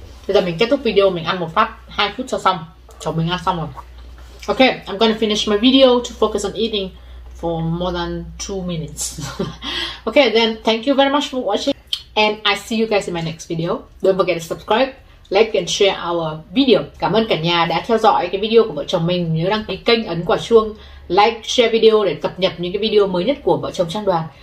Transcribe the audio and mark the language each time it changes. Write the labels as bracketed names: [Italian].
[Vietnamese] Bây giờ mình kết thúc video, mình ăn một phát 2 phút cho xong. Chồng mình ăn xong rồi. [English] Ok, I'm gonna finish my video to focus on eating for more than 2 minutes. Ok, then thank you very much for watching. And I see you guys in my next video. Don't forget to subscribe, like and share our video. [Vietnamese] Cảm ơn cả nhà đã theo dõi cái video của vợ chồng mình. Nhớ đăng ký kênh, ấn quả chuông, like, share video để cập nhật những cái video mới nhất của vợ chồng Trang Đoàn.